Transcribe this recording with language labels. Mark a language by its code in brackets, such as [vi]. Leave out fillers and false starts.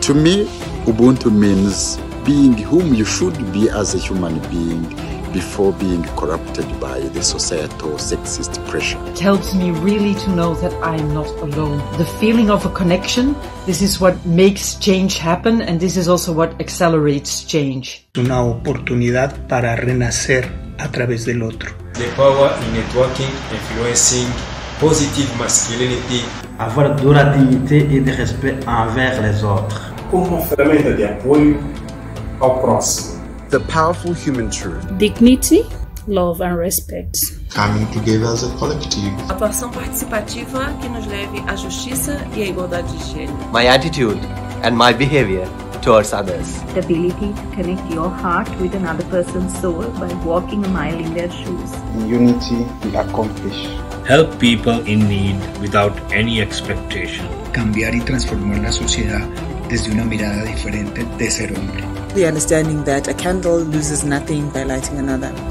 [en] To me, Ubuntu means being whom you should be as a human being before being corrupted by the societal sexist pressure. It helps me really to know that I am not alone. The feeling of a connection, this is what makes change happen, and this is also what accelerates change. [es] Una oportunidad para renacer a través del otro. [en] The power in networking, influencing positive masculinity. [fr] Avoir de la dignité et de respect envers les autres. [pt] Como ferramenta de apoyo al próximo. [en] The powerful human truth. Dignity, love and respect. Coming together as a collective. [pt] Atuação participativa que nos leve à justiça e à igualdade de gênero. [en] My attitude and my behavior towards others. The ability to connect your heart with another person's soul by walking a mile in their shoes. In unity, we accomplish. Help people in need without any expectation. [es] Cambiar y transformar la sociedad desde una mirada diferente de ser hombre. [en] The understanding that a candle loses nothing by lighting another.